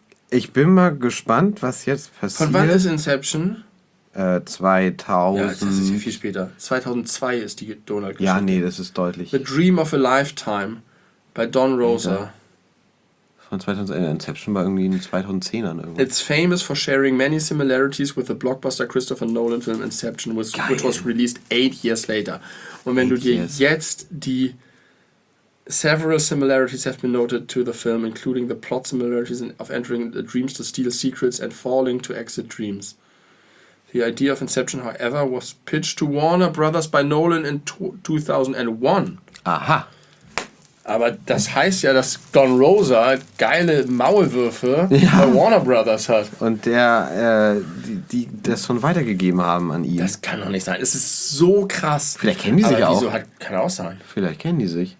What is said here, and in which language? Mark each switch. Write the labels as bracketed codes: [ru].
[de] Ich bin mal gespannt, was jetzt passiert. Von wann ist Inception? 2000. Ja, das ist ja viel später. 2002 ist die Donald-Geschichte. Ja, nee, das ist deutlich. The Dream of a Lifetime bei Don Rosa. Von 2000, Inception war irgendwie in den 2010ern. Irgendwie. [en] It's famous for sharing many similarities with the blockbuster Christopher Nolan film Inception, which was released 8 years later. [de] Und wenn eight du dir years. Jetzt die... [en] Several similarities have been noted to the film, including the plot similarities of entering the dreams to steal secrets and falling to exit dreams. The idea of Inception, however, was pitched to Warner Brothers by Nolan in 2001. [de] Aha. Aber das heißt ja, dass Don Rosa geile Maulwürfe bei Warner Brothers hat. Und der, die das schon weitergegeben haben an ihn. Das kann doch nicht sein. Es ist so krass. Vielleicht kennen die sich auch. Aber wieso, kann auch sein. Vielleicht kennen die sich.